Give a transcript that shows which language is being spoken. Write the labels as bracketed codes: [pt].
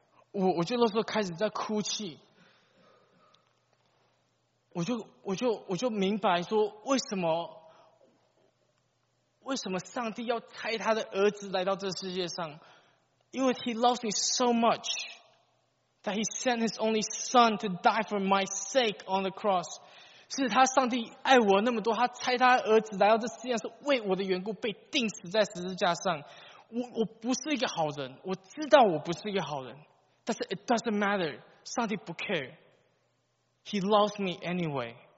[zh] 我就那时候开始在哭泣，我就明白说，为什么上帝要差他的儿子来到这世界上？因为 [en] He loves me so much that He sent His only Son to die for my sake on the cross。 [zh] 是他上帝爱我那么多，他差他的儿子来到这世界上，是为我的缘故被钉死在十字架上。我不是一个好人，我知道我不是一个好人。但是 [en] it doesn't matter， [zh] 上帝不 [en] care， He loves me anyway。